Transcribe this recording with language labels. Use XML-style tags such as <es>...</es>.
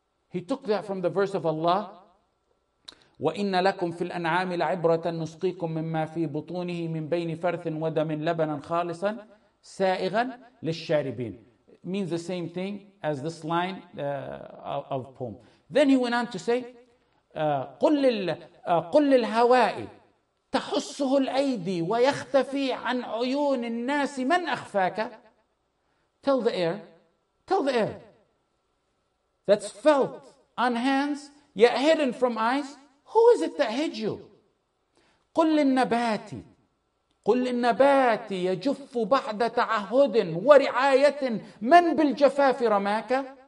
<en>He took that from the verse of Allah.</en> <ar>وَإِنَّ لَكُمْ فِي الْأَنْعَامِ لَعِبْرَةً نُسْقِيكُمْ مِمَّا فِي بُطُونِهِ مِنْ بَيْنِ فَرْثٍ وَدَمٍ لَبَنًا خَالِصًا سَائِغًا لِلشَّارِبِينَ.</ar> <en>It means the same thing as this line of poem. Then he went on to say,</en> <ar>قُلِّ الْهَوَاءِ تَحُسُّهُ الْأَيْدِي وَيَخْتَفِي عَنْ عُيُونِ النَّاسِ مَنْ أَخْفَاكَ.</ar> <en>Tell the air, that's felt on hands, yet hidden from eyes, who is it that hid you?</en> <ar>قُلِّ النَّبَاتِ يَجُفُّ بَعْدَ تَعَهُدٍ وَرِعَايَةٍ مَنْ بِالْجَفَافِ رَمَاكَ.</ar>